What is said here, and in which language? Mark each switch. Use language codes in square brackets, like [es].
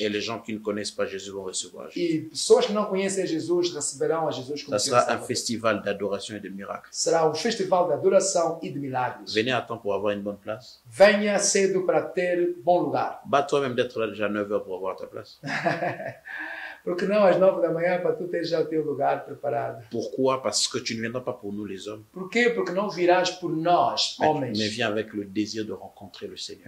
[fr] Et les gens qui ne connaissent pas Jésus vont recevoir Jésus. [pt] E pessoas que não conhecem Jesus receberão a Jesus como Deus. Será um festival [fr] d'adoration et de miracles. [pt] Será um festival de adoração e de milagres. [fr] Venez à temps pour avoir une bonne place. [pt] Venha cedo para ter bom lugar. [fr] Bat-toi même d'être là déjà 9 heures pour avoir ta place. [pt] Porque não às 9 da manhã para tu ter já o teu lugar preparado? [fr] Pourquoi? Parce que tu ne viendras pas pour nous les hommes. [pt] Por quê? Porque não virás por nós, homens. [fr] Mais viens avec le désir de rencontrer le Seigneur.